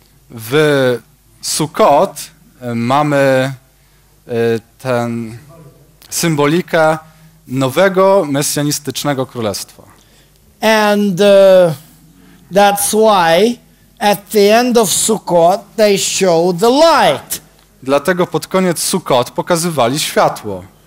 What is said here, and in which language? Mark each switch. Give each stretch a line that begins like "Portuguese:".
Polish: W Sukkot mamy ten symbolika nowego mesjanistycznego królestwa.
English: And that's why at the end of Sukkot they show the light.
Polish: Dlatego pod koniec Sukkot pokazywali światło.